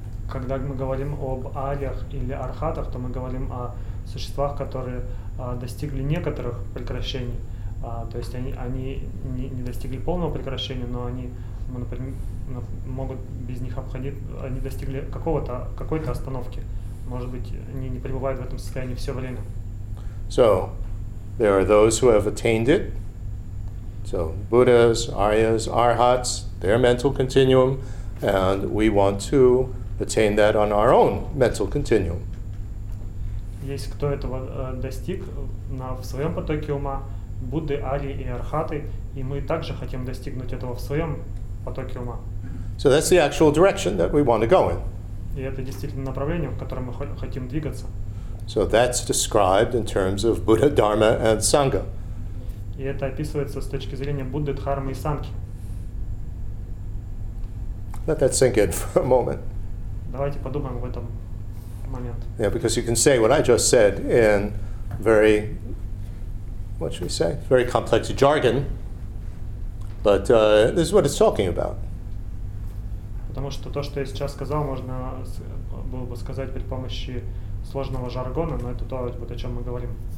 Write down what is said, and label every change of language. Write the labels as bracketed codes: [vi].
[ru] Когда мы говорим об ариях или архатах, то мы говорим о существах, которые достигли некоторых прекращений. То есть они не достигли полного прекращения, но они, например, могут без них обходить, они достигли какой-то остановки. Может быть, они не пребывают в этом состоянии все время. [en] So, there are those who have attained it. So, Buddhas, Aryas, Arhats, their mental continuum, and we want to attain that on our own mental continuum. [ru] Есть кто этого достиг в своем потоке ума, Будды, Арии и Архаты, и мы также хотим достигнуть этого в своем потоке ума. [en] So that's the actual direction that we want to go in. [ru] И это действительно направление, в котором мы хотим двигаться. [en] So that's described in terms of Buddha, Dharma and Sangha. [ru] И это описывается с точки зрения Будды, Дхармы и Сангхи. [en] Let that sink in for a moment. [ru] Давайте подумаем об этом момент. [en] Yeah, because you can say what I just said in very, what should we say, very complex jargon, but this is what it's talking about. [ru] Потому что то, что я сейчас сказал, можно было бы сказать при помощи сложного жаргона, но это то, вот о чем мы говорим.